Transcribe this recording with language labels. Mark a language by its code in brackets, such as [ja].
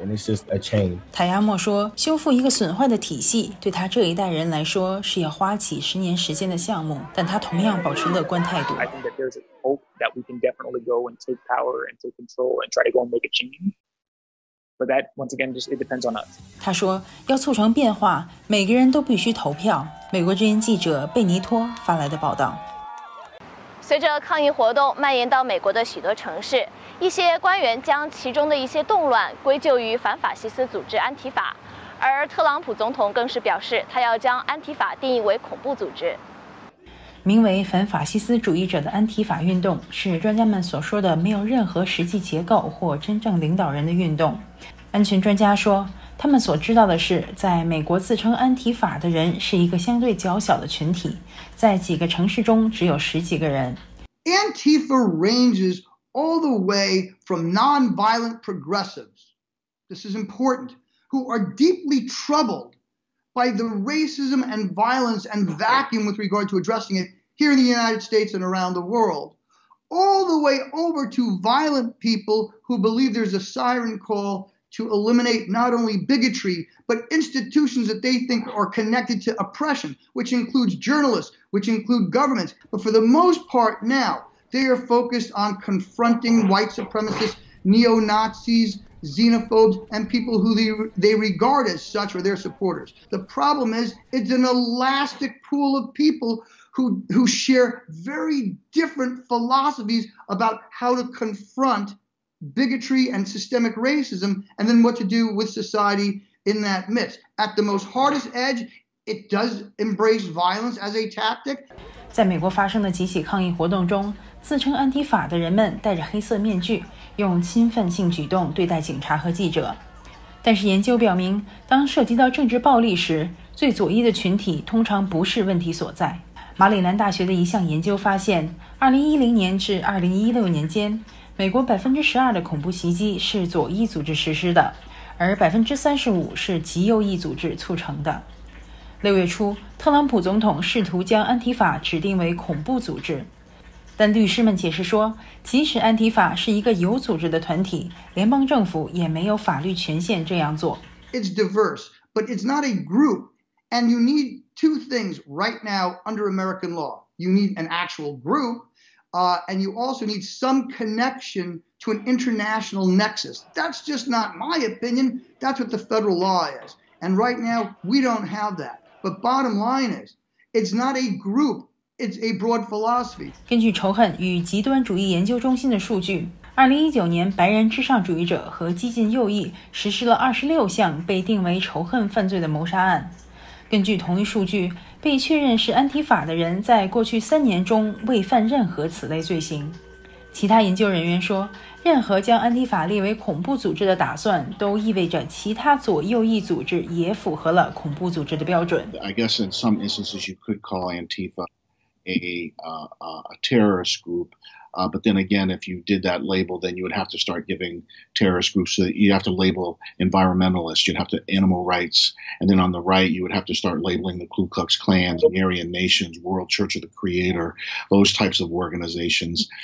[en] And it's just a chain. [zh] 塔亚莫说，修复一个损坏的体系对他这一代人来说是要花起十年时间的项目，但他同样保持乐观态度。 [en] I think that there's a hope that we can definitely go and take power and take control and try to go and make a change. But that, once again, just it depends on us. [zh] 他说，要促成变化，每个人都必须投票。美国之音记者贝尼托发来的报道。随着抗议活动蔓延到美国的许多城市，一些官员将其中的一些动乱归咎于反法西斯组织安提法，而特朗普总统更是表示，他要将安提法定义为恐怖组织。名为反法西斯主义者的安提法运动是专家们所说的没有任何实际结构或真正领导人的运动。安全专家说，他们所知道的是，在美国自称安提法的人是一个相对较小的群体，在几个城市中只有十几个人。 [en] Antifa ranges all the way from non-violent progressives, this is important, who are deeply troubled. By the racism and violence and vacuum with regard to addressing it here in the United States and around the world, all the way over to violent people who believe there's a siren call to eliminate not only bigotry, but institutions that they think are connected to oppression, which includes journalists, which include governments. But for the most part now, they are focused on confronting white supremacists, neo-Nazis,xenophobes and people who they regard as such or their supporters. The problem is it's an elastic pool of people who share very different philosophies about how to confront bigotry and systemic racism and then what to do with society in that midst. At the most hardest edge, it does embrace violence as a tactic. [zh] 在美国发生的几起抗议活动中，自称安提法的人们戴着黑色面具，用侵犯性举动对待警察和记者。但是研究表明，当涉及到政治暴力时，最左翼的群体通常不是问题所在。马里兰大学的一项研究发现，2010年至2016年间，美国 12% 的恐怖袭击是左翼组织实施的，而 35% 是极右翼组织促成的。六月初，特朗普总统试图将安提法指定为恐怖组织。但律师们解释说，即使安提法是一个有组织的团体，联邦政府也没有法律权限这样做。 [en] It's diverse, but it's not a group. And you need two things right now under American law. You need an actual group, and you also need some connection to an international nexus. That's just not my opinion. That's what the federal law is. And right now, we don't have that. But bottom line is, it's not a group. It's a broad philosophy. [zh] 根据仇恨与极端主义研究中心的数据，2019年白人至上主义者和激进右翼实施了26项被定为仇恨犯罪的谋杀案。根据同一数据，被确认是安提法的人在过去三年中未犯任何此类罪行。其他研究人员说，任何将安提法列为恐怖组织的打算都意味着其他左右翼组织也符合了恐怖组织的标准。 [en] I guess in some instances you could call Antifa. A terrorist group, but then again, if you did that label, then you would have to start giving terrorist groups. So you have to label environmentalists, you'd have to animal rights, and then on the right, you would have to start labeling the Ku Klux Klan, Aryan Nations, World Church of the Creator, those types of organizations.